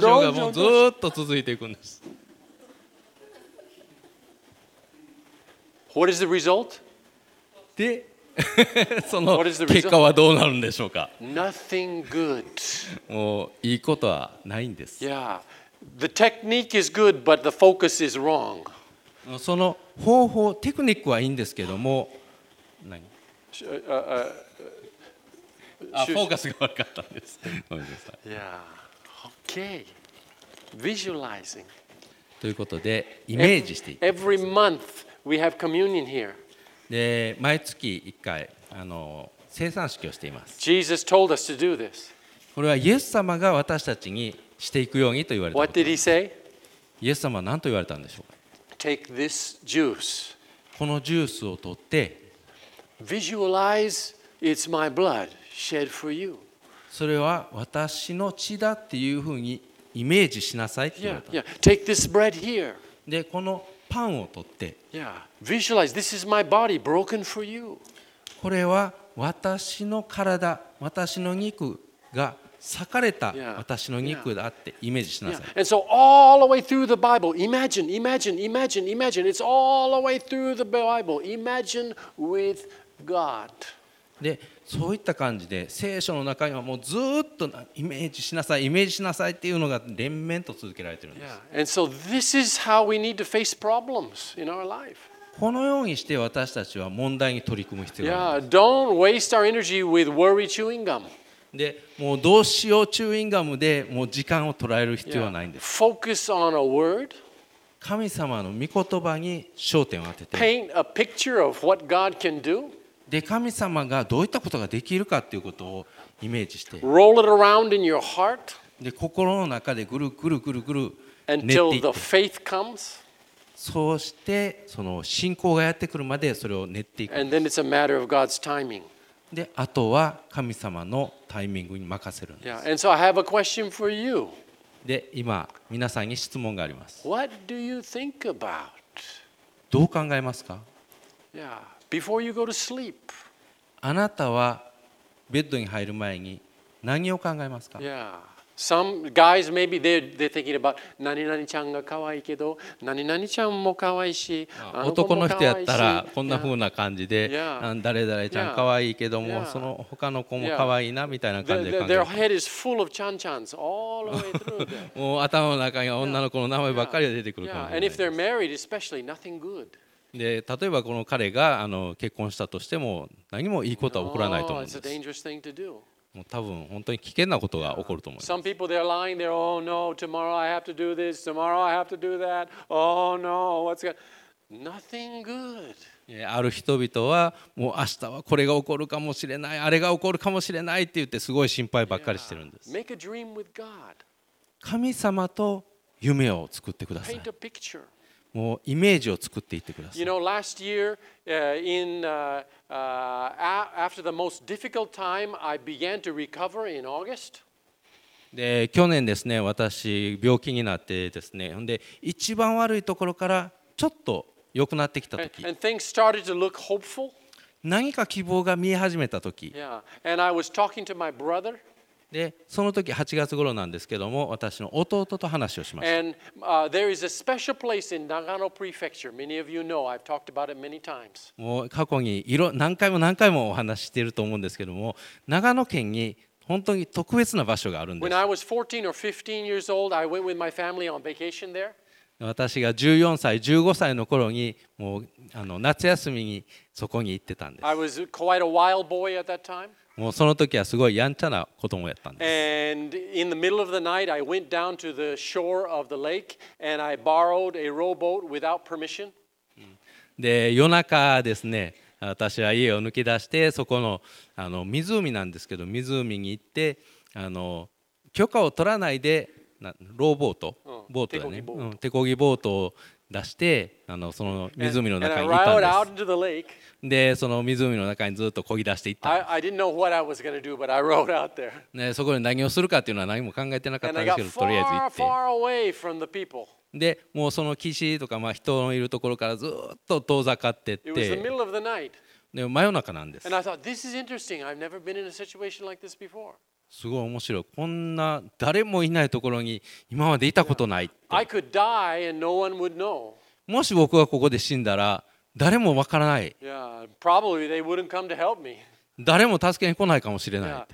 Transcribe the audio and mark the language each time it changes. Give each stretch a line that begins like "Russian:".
Japanese: どうしようがずっと続いていくんです。
English: What is the result?
Japanese: で、その結果はどうなるんでしょうか。
English: Nothing good。
Japanese: もういいことはないんです。
English: Yeah. The technique is good, but the focus is wrong.
Japanese: その方法、テクニックはいいんですけども、何？フォーカスが悪かったんです。ごめんなさい。
English: Yeah. Okay. Visualizing.
Japanese: ということで、イメージしていきます。
English: Every month we have communion here.
Japanese: で、毎月一回聖餐式をしています。
English: Jesus told us to do this.
Japanese: これはイエス様が私たちにしていくようにと言われたことです。イエス様は何と言われたんでしょうか。
English: Take this juice.
Japanese: このジュースを取って、
English: Visualize it's my blood shed for you.
Japanese: それは私の血だっていうふうにイメージしなさいって言われた。
English: Yeah, yeah. Take this bread here.
Japanese: で、このパンを取って、
English: Yeah. Visualize this is my body broken for you.
Japanese: これは私の体、私の肉が裂かれた私の肉だってイメージしなさい。
English: And so all the way through the Bible, imagine, imagine, imagine, imagine. It's all the way through the Bible. Imagine with God.
Japanese: で、そういった感じで聖書の中にはもうずっとイメージしなさい、イメージしなさいっていうのが連綿と続けられているんです。
English: And so this is how we need to face problems in our life.
Japanese: このようにして私たちは問題に取り組む必要がある。
English: Don't waste our energy with worry chewing gum.
Japanese: でもうどうしようチューインガムでもう時間を捉える必要はないんです。
English: Yeah. Focus on a word.
Japanese: 神様の御言葉に焦点を当てて。
English: Paint a picture of what God can do.
Japanese: で神様がどういったことができるかということをイメージして。
English: Roll it around in your heart.
Japanese: で心の中でぐるぐるぐるぐる練っていって。
English: Until the faith comes.
Japanese: そうしてその信仰がやってくるまでそれを練っていく。
English: And then it's a matter of God's timing.
Japanese: で、あとは神様のタイミングに任せるんです。
English: Yeah, and so I have a question for you.
Japanese: で、今皆さんに質問があります。
English: What do you think about?
Japanese: どう考えますか？
English: Yeah, before you go to sleep.
Japanese: あなたはベッドに入る前に何を考えますか？
English: Yeah, some guys maybe they're thinking about
Japanese: 何々ちゃんが可愛いけど何々ちゃんも可愛いし。男の人やったらこんな風な感じで誰々ちゃん可愛いけどもその他の子も可愛いなみたいな感じで考えて。
English: Their head is full of chan chans all the way through.
Japanese: もう頭の中には女の子の名前ばっかりが出てくるかもしれない。
English: And if they're married, especially nothing good.
Japanese: で例えばこの彼が結婚したとしても何もいいことは起こらないと思うんです。もう多分本当に危険なことが起こると思います。
English: Some people they're lying there. Oh no, tomorrow I have to do this. Tomorrow I have to do that. Oh no, what's got nothing good.
Japanese: ある人々はもう明日はこれが起こるかもしれない、あれが起こるかもしれないって言ってすごい心配ばっかりしてるんです。
English: Make a dream with God.
Japanese: 神様と夢を作ってください。
English: Paint a picture.
Japanese: もうイメージを作っていってください。
English: You know, last year, after the most difficult time, I began to recover in August.
Japanese: で、去年ですね、私病気になってですね、で一番悪いところからちょっと良くなってきた時。
English: And things started to look hopeful.
Japanese: 何か希望が見え始めた時。
English: Yeah, and I was talking to my brother.
Japanese: でその時8月頃なんですけども、私の弟と話をしました。
English: And, there is a special place in Nagano Prefecture. Many of you know, I've talked about it many times.
Japanese: もう過去に何回も何回もお話していると思うんですけども、長野県に本当に特別な場所があるんです。
English: When I was 14 or 15 years old, I went with my family on vacation there.
Japanese: 私が14歳、15歳の頃にもう夏休みにそこに行ってたんです。
English: I was quite a wild boy at that time.
Japanese: もうその時はすごいやんちゃな子供やったんです。
English: And in the middle of the night, I went down to the shore of the lake and I borrowed a rowboat without permission.
Japanese: で、夜中ですね、私は家を抜き出してそこの湖なんですけど、湖に行って許可を取らないでローボート、ボートだね、手漕ぎボートを出してその湖の中にいたんです。でその湖の中にずっと漕ぎ出していったんです。ね、そこで何をするかっていうのは何も考えてなかったんですけど、とりあえず行って、でもうその岸とか、まあ人のいるところからずっと遠ざかっていって、で真夜中なんです。
English: This is interesting. I've never been in a situation like this before.
Japanese: すごい面白い、こんな誰もいないところに今までいたことないって。もし僕がここで死んだら誰もわからない、誰も助けに来ないかもしれない。